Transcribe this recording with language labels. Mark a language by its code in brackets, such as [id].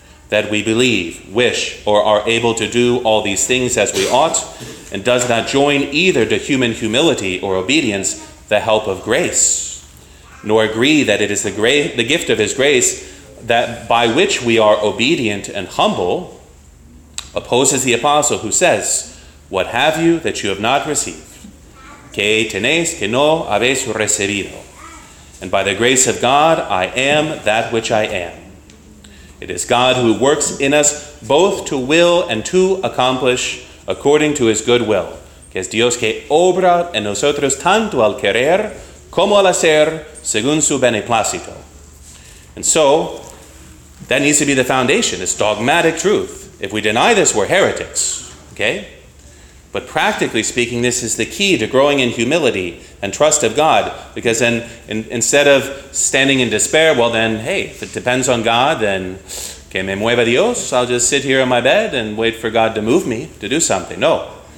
[en] that we believe, wish, or are able to do all these things as we ought, and does not join either to human humility or obedience the help of grace, nor agree that it is the gift of his grace that by which we are obedient and humble, opposes the apostle who says, what have you that you have not received? Que tenéis que no habéis recibido. And by the grace of God, I am that which I am. It is God who works in us both to will and to accomplish according to his good will. [es] Que es Dios que obra en nosotros tanto al querer como al hacer según su beneplácito. [en] And so, that needs to be the foundation, this dogmatic truth. If we deny this, we're heretics, okay? But practically speaking, this is the key to growing in humility and trust of God. Because then, instead of standing in despair, well then, hey, if it depends on God, then que me mueva Dios, I'll just sit here on my bed and wait for God to move me to do something. No.